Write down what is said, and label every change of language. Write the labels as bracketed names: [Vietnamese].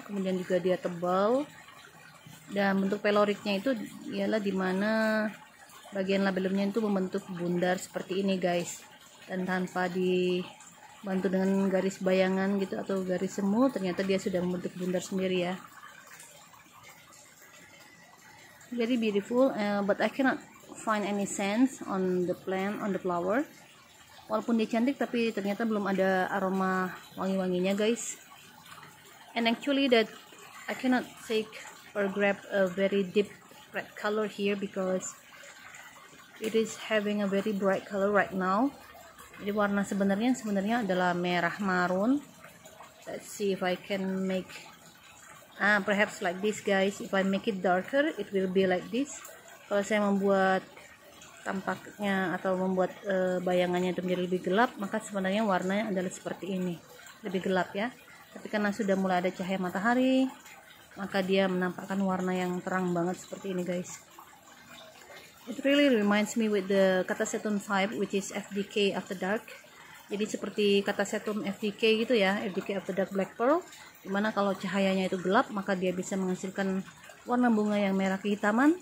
[Indonesian] Kemudian juga dia tebal. Dan bentuk peloriknya itu ialah dimana bagian labelumnya itu membentuk bundar seperti ini guys. Dan tanpa dibantu dengan garis bayangan gitu atau garis semu, ternyata dia sudah membentuk bundar sendiri ya. [English] Very beautiful, but I cannot find any scent on the plant, on the flower. [Indonesian] Walaupun dia cantik, tapi ternyata belum ada aroma wangi-wanginya, guys. [English] And actually that I cannot take or grab a very deep red color here because it is having a very bright color right now. [Indonesian] Jadi warna sebenarnya adalah merah marun. [English] Let's see if I can make perhaps like this guys, if I make it darker, it will be like this. [Indonesian] Kalau saya membuat tampaknya atau membuat bayangannya itu menjadi lebih gelap, maka sebenarnya warnanya adalah seperti ini, lebih gelap ya. Tapi karena sudah mulai ada cahaya matahari, maka dia menampakkan warna yang terang banget seperti ini guys. [English] It really reminds me with the catasetum 5, which is FDK after dark. [Indonesian] Jadi seperti catasetum FDK gitu ya, FDK after dark black pearl. Dimana kalau cahayanya itu gelap, maka dia bisa menghasilkan warna bunga yang merah kehitaman.